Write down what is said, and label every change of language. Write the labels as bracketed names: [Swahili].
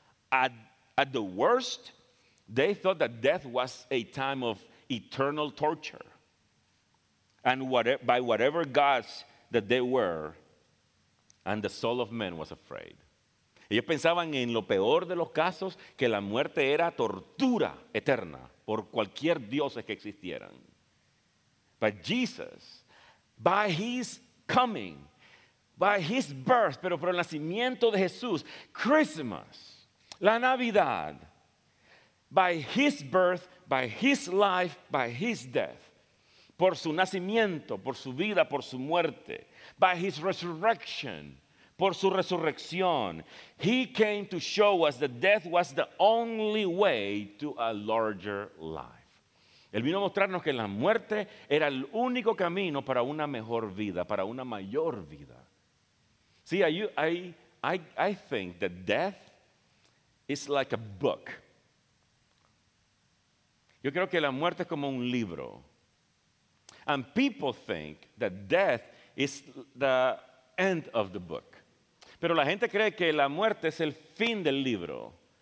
[English] At the worst, they thought that death was a time of eternal torture. And by whatever gods that they were, and the soul of man was afraid. [Spanish] Ellos pensaban en lo peor de los casos, que la muerte era tortura eterna por cualquier dioses que existieran. [English] But Jesus... By his coming, by his birth, [Spanish] pero por el nacimiento de Jesús, [English] Christmas, [Spanish] la Navidad, [English] by his birth, by his life, by his death, [Spanish] por su nacimiento, por su vida, por su muerte, [English] by his resurrection, [Spanish] por su resurrección, [English] he came to show us that death was the only way to a larger life. [Spanish] Él vino a mostrarnos que la muerte era el único camino para una mejor vida, para una mayor vida. [English] See, I think that death is like a book. [Spanish] Yo creo que la muerte es como un libro. [English] And people think that death is the end of the book. [Spanish] Pero la gente cree que la muerte es el fin del libro.